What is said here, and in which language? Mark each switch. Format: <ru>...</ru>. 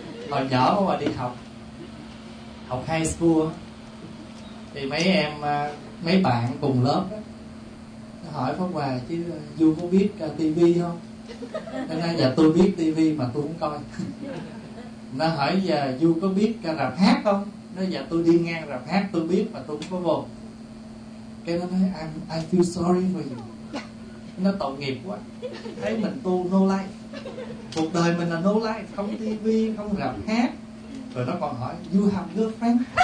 <vi>Hồi nhỏ mà đi học, học high school, thì mấy em, mấy bạn cùng lớp á, hỏi Pháp Hòa chứ Du có biết TV không? Nó nói dạ tôi biết TV mà tôi không coi. Nó hỏi dạ Du có biết rạp hát không? Nó dạ tôi đi ngang rạp hát tôi biết mà tôi không có vô. Cái nó nói</vi> <en>I feel sorry for you.</en> <vi>Nó tội nghiệp quá, thấy mình tu</vi> <en>no life,</en> <vi>cuộc đời mình là no life, không TV, không rạp hát. Rồi nó còn hỏi</vi> <en>you have girlfriend.</en>